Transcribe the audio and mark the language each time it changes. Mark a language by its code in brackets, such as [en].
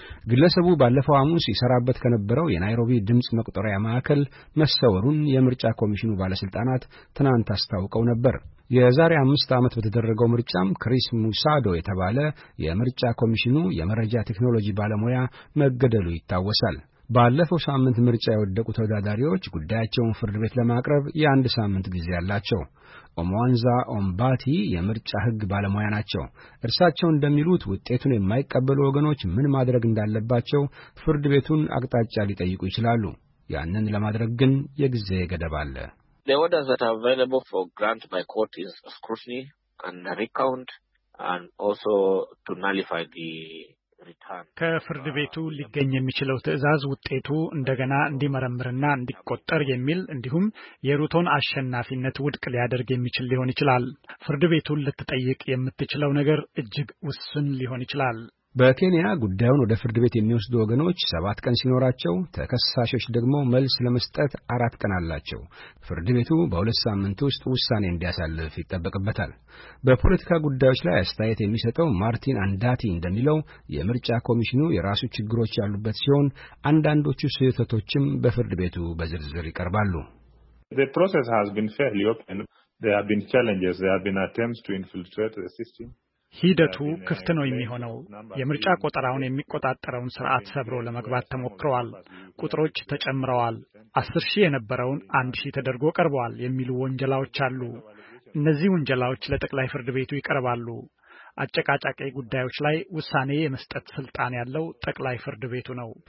[am] ግለሰቡ ባለፈው አመት ሲሰራበት ከነበረው የናይሮቢ ድምጽ መቁጠሪያ ማዕከል መሰወሩን የምርጫ ኮሚሽኑ ባለስልጣናት ትናንት አስታውቀው ነበር። የዛሬ 5 አመት በተደረገው ምርጫም ክሪስ ሙሳዶ የተባለ የምርጫ ኮሚሽኑ የመረጃ ቴክኖሎጂ ባለሙያ መገደሉ ይታወሳል። ባለፈው ሳምንት ምርጫ የወደቁ ተወዳዳሪዎች ጉዳያቸውን ፍርድ ቤት ለማቅረብ የአንድ ሳምንት ጊዜ አላቸው። ኦሞንዛ ኦምባቲ የምርጫ ህግ ባለሙያ ናቸው። እርሳቸው እንደሚሉት ውጤቱን የማይቀበሉ ወገኖች ምን ማድረግ እንዳለባቸው ፍርድ ቤቱን አቅጣጫ ሊጠይቁ ይችላሉ። ያንን ለማድረግ ግን የጊዜ ገደብ አለ። [en] The orders that are available for grant by court is scrutiny and recount and also to nullify the [am] ከፍርድ ቤቱ ሊገኝ የሚችለው ትዕዛዝ ውጤቱ እንደገና እንዲመረምርና እንዲቆጠር የሚል እንዲሁም የሩቶን አሸናፊነት ውድቅ ሊያደርግ የሚችል ሊሆን ይችላል። ፍርድ ቤቱን ልትጠይቅ የምትችለው ነገር እጅግ ውስን ሊሆን ይችላል። በኬንያ ጉዳዩን ወደ ፍርድ ቤት የሚወስዱ ወገኖች 7 ቀን ሲኖራቸው ተከሳሾች ደግሞ መልስ ለመስጠት 4 ቀን አላቸው። ፍርድ ቤቱ በሁለት ሳምንት ውስጥ ውሳኔ እንዲያሳልፍ ይጠበቅበታል። በፖለቲካ ጉዳዮች ላይ አስተያየት የሚሰጠው ማርቲን አንዳቲ እንደሚለው የምርጫ ኮሚሽኑ የራሱ ችግሮች ያሉበት ሲሆን አንዳንዶቹ ስህተቶችም በፍርድ ቤቱ በዝርዝር ይቀርባሉ። [en] The process has been fairly open. There have been challenges. There have been attempts to infiltrate the system. [am] ሂደቱ ክፍት ነው የሚሆነው። የምርጫ ቁጥራውን የሚቆጣጠረውን ስርዓት ሰብሮ ለመግባት ተሞክሯል። ቁጥሮች ተጨምረዋል። 10000 የነበረውን 1000 ተደርጎ ቀርቧል የሚሉ ወንጀላዎች አሉ። እነዚህ ወንጀላዎች ለጠቅላይ ፍርድ ቤቱ ይቀርባሉ። አጨቃጫቂ ጉዳዮች ላይ ውሳኔ የመስጠት ስልጣን ያለው ጠቅላይ ፍርድ ቤቱ ነው።